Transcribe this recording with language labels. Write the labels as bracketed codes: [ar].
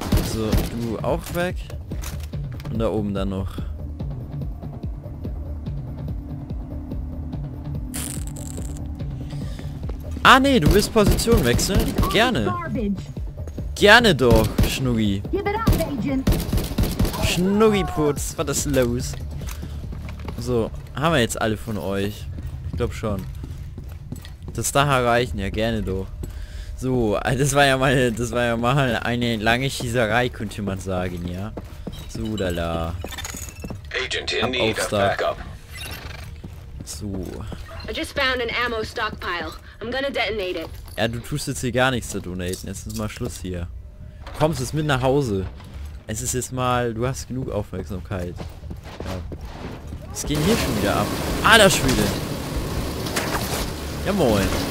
[de] So, du auch weg. Und da oben dann noch. Ah nee, du willst Position wechseln? Gerne. Gerne doch, Schnuggi. Schnuggi-Putz, was ist los? So, haben wir jetzt alle von euch? Ich glaube schon. Das da erreichen, ja gerne doch. So, das war ja mal eine lange Schießerei, könnte man sagen, ja. So, da la. [en] Agent in need of backup. So. I just found an ammo stockpile. I'm gonna detonate it. [de] Ja, du tust jetzt hier gar nichts zu donaten. Jetzt ist mal Schluss hier. Kommst jetzt mit nach Hause. Es ist jetzt mal, du hast genug Aufmerksamkeit. Ja. Es geht hier schon wieder ab. Alter Schwede. Ja moin.